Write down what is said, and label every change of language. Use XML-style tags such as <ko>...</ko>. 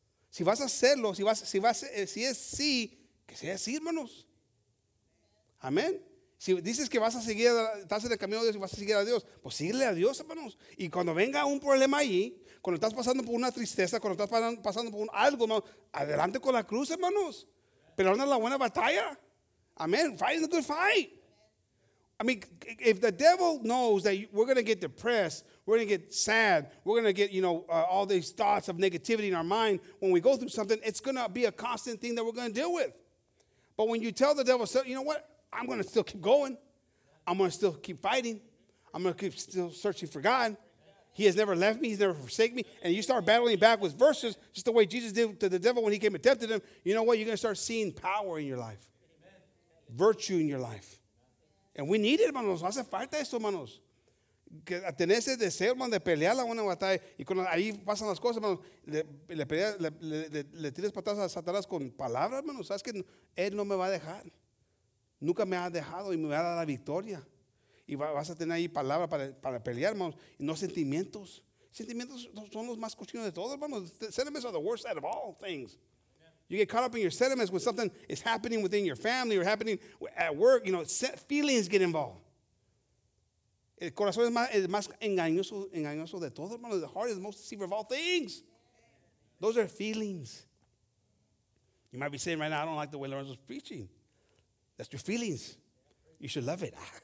<es>Si vas a hacerlo, si es sí, que sea sí, hermanos. Amén. Si dices que vas a seguir, estás en el camino de Dios y vas a seguir a Dios, pues síguele a Dios, hermanos. Y cuando venga un problema allí, cuando estás pasando por una tristeza, cuando estás pasando por algo, hermanos, adelante con la cruz, hermanos. Pero no es la buena batalla. Amén.</es> <en>Fight is a good fight. I mean, if the devil knows that we're going to get depressed, we're going to get sad, we're going to get, you know, all these thoughts of negativity in our mind when we go through something, it's going to be a constant thing that we're going to deal with. But when you tell the devil, so, you know what? I'm going to still keep going. I'm going to still keep fighting. I'm going to keep still searching for God. He has never left me. He's never forsaken me. And you start battling back with verses just the way Jesus did to the devil when he came and tempted him. You know what? You're going to start seeing power in your life, virtue in your life. And we need it,</en> <es>hermanos. Hace falta esto, hermanos. Que tener ese deseo, hermano, de pelear la buena batalla. Y cuando ahí pasan las cosas, hermanos, le tiras patadas a Satanás con palabras, hermanos. Sabes que él no me va a dejar. Nunca me ha dejado y me va a dar la victoria. Y vas a tener ahí palabras para pelear, hermanos. Y no sentimientos. Sentimientos son los más cochinos de todo, hermanos.</es> <en>Sentiments are the worst out of all things. You get caught up in your sentiments when something is happening within your family or happening at work. You know, feelings get involved.</en> <es>El corazón es más engañoso de todo, hermano.</es> <en>The heart is the most deceiver of all things. Those are feelings. You might be saying right now, I don't like the way Lorenzo's preaching. That's your feelings. You should love it.</en>